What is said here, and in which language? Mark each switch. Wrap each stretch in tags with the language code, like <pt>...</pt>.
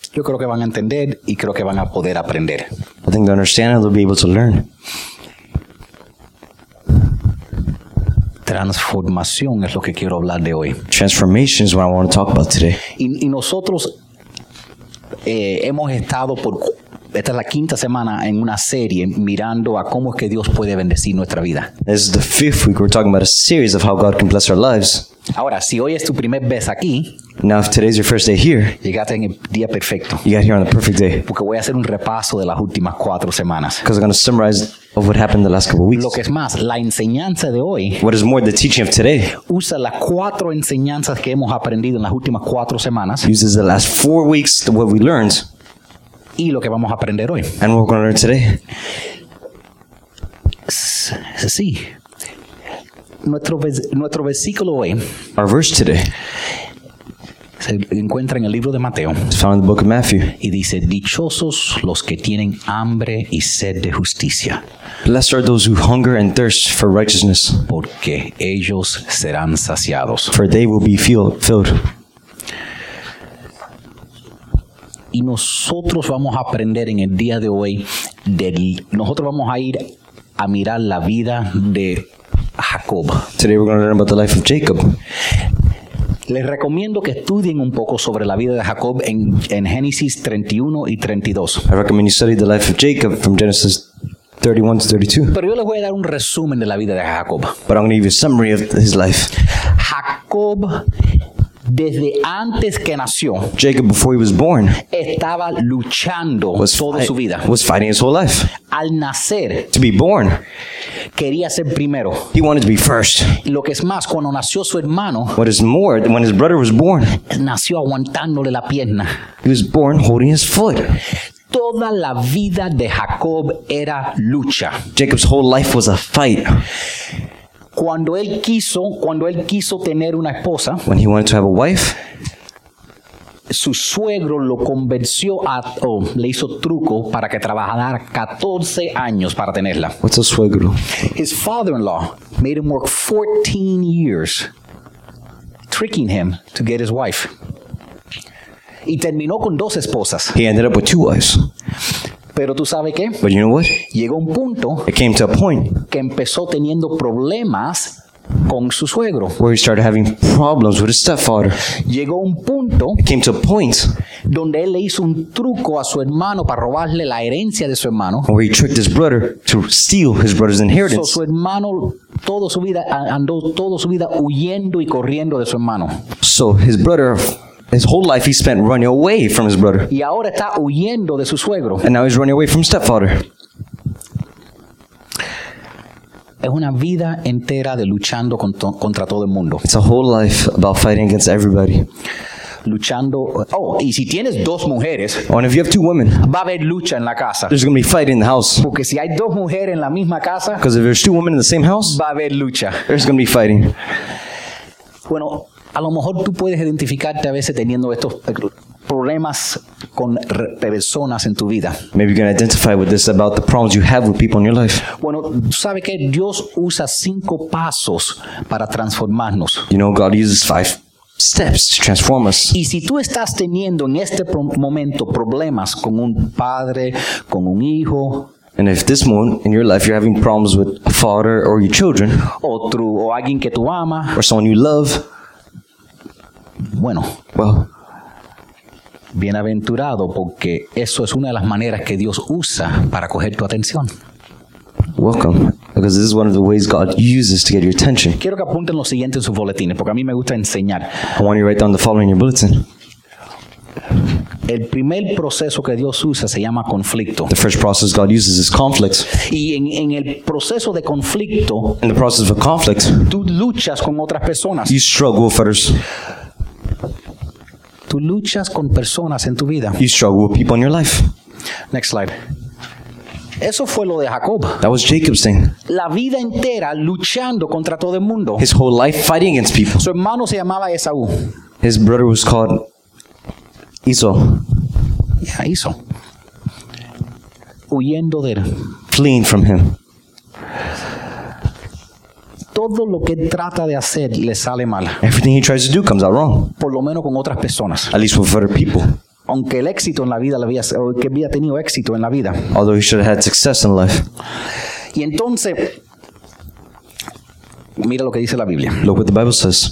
<es>yo creo que van a entender y creo que van a poder aprender.</es> <en>I think they understand and they'll be able to learn.</en> <es>Transformación es lo que quiero hablar de hoy.</es> <en>Transformation is what I want to talk about today.</en> <es>Y nosotros hemos estado por... Esta es la quinta semana en una serie mirando a cómo es que Dios puede bendecir nuestra vida.</es> <en>This is the fifth week we're talking about a series of how God can bless our lives.</en> <es>Ahora, si hoy es tu primer vez aquí,</es> <en>now if today's your first day here,</en> <es>llegaste en el día perfecto.</es> <en>You got here on the perfect day.</en> <es>Porque voy a hacer un repaso de las últimas cuatro semanas.</es> <en>Because I'm going to summarize of what happened the last couple of weeks.</en> <es>Lo que es más, la enseñanza de hoy,</es> <en>what is more, the teaching of today,</en> <es>usa las cuatro enseñanzas que hemos aprendido en las últimas cuatro semanas,</es> <en>uses the last 4 weeks to what we learned,</en> <es>y lo que vamos a aprender hoy.</es> <en>And what we're going to learn today.</en> <es>Sí. Nuestro versículo hoy.</es> <en>Our verse today.</en> <es>Se encuentra en el libro de Mateo.</es> <en>It's found in the book of Matthew.</en> <es>Y dice, dichosos los que tienen hambre y sed de justicia.</es> <en>Blessed are those who hunger and thirst for righteousness.</en> <es>Porque ellos serán saciados.</es> <en>For they will be filled.</en> <es>Y nosotros vamos a aprender en el día de hoy, nosotros vamos a ir a mirar la vida de Jacob.</es> <en>Today we're going to learn about the life of Jacob.</en> <es>Les recomiendo que estudien un poco sobre la vida de Jacob en Génesis 31 y 32.</es> <en>I recommend you study the life of Jacob from Genesis 31 to 32.</en> <es>Pero yo les voy a dar un resumen de la vida de Jacob.</es> <en>But I'm going to give you a summary of his life.</en> <es>Jacob... Desde antes que nació,</es> <en>Jacob, before he was born,</en> <es>estaba luchando toda su vida.</es> <en>Was fighting his whole life.</en> <es>Al nacer,</es> <en>to be born,</en> <es>quería ser primero.</es> <en>He wanted to be first.</en> <es>Lo que es más, cuando nació su hermano,</es> <en>what is more, when his brother was born,</en> <es>nació aguantándole la pierna.</es> <en>He was born holding his foot.</en> <es>Toda la vida de Jacob era lucha.</es> <en>Jacob's whole life was a fight.</en> <es>Cuando él quiso tener una esposa,</es> <en>when he wanted to have a wife,</en> <es>su suegro lo convenció le hizo truco para que trabajara 14 años para tenerla.</es> <en>What's a suegro? His father-in-law made him work 14 years, tricking him to get his wife.</en> <es>Y terminó con dos esposas.</es> <en>He ended up with two wives.</en> <es>Pero tú sabes qué?</es> <en>But you know what?</en> <es>Llegó un punto,</es> <en>it came to a point,</en> <es>que empezó teniendo problemas con su suegro,</es> <en>where he started having problems with his stepfather.</en> <es>Llegó un punto,</es> <en>it came to a point,</en> <es>donde él le hizo un truco a su hermano para robarle la herencia de su hermano,</es> <en>where he tricked his brother to steal his brother's inheritance.</en> <es>So su hermano toda su vida andó toda su vida huyendo y corriendo de su hermano.</es> <en>So his brother, his whole life he spent running away from his brother.</en> <es>Y ahora está huyendo de su suegro.</es> <en>And now he's running away from stepfather.</en> <es>Es una vida entera de luchando contra todo el mundo.</es> <en>It's a whole life about fighting against everybody.</en> <es>Luchando. Oh, y si tienes dos mujeres,</es> <en>oh, and if you have two women,</en> <es>va a haber lucha en la casa.</es> <en>There's going to be fight in the house.</en> <es>Porque si hay dos mujeres en la misma casa,</es> <en>because if there's two women in the same house,</en> <es>va a haber lucha.</es> <en>There's going to be fighting.</en> <es>Bueno, a lo mejor tú puedes identificarte a veces teniendo estos problemas con personas en tu vida.</es> <en>Maybe you can identify with this about the problems you have with people in your life.</en> <es>Bueno, ¿sabes qué? Dios usa cinco pasos para transformarnos.</es> <en>You know, God uses five steps to transform us.</en> <es>Y si tú estás teniendo en este momento problemas con un padre, con un hijo,</es> <en>and if this moment in your life you're having problems with a father or your children,</en> <es>otro, o alguien que tú ama,</es> <en>or someone you love,</en> <es>bueno,</es> <en>well,</en> <es>bienaventurado, porque eso es una de las maneras que Dios usa para coger tu atención.</es> <en>Welcome, because this is one of the ways God uses to get your attention.</en> <es>Quiero que apunten lo siguiente en sus boletines, porque a mí me gusta enseñar.</es> <en>I want you to write down the following in your bulletin.</en> <es>El primer proceso que Dios usa se llama conflicto.</es> <en>The first process God uses is conflict.</en> <es>Y en el proceso de conflicto,</es> <en>in the process of a conflict,</en> <es>tú luchas con otras personas.</es> <en>You struggle with others.</en> <es>Tú luchas con personas en tu vida.</es> <en>You struggle with people in your life. Next slide.</en> <es>Eso fue lo de Jacob.</es> <en>That was Jacob's thing.</en> <es>La vida entera luchando contra todo el mundo.</es> <en>His whole life fighting against people.</en> <es>Su hermano se llamaba Esaú.</es> <en>His brother was called Esau.</en> <es>Yeah, Esau. Huyendo de él.</es> <en>Fleeing from him.</en> <es>Todo lo que trata de hacer le sale mal.</es> <en>Everything he tries to do comes out wrong.</en> <es>Por lo menos con otras personas.</es> <en>At least with other people.</en> <es>Aunque el éxito en la vida, que había tenido éxito en la vida.</es> <en>Although he should have had success in life.</en> <es>Y entonces, mira lo que dice la Biblia.</es> <en>Look what the Bible says.</en>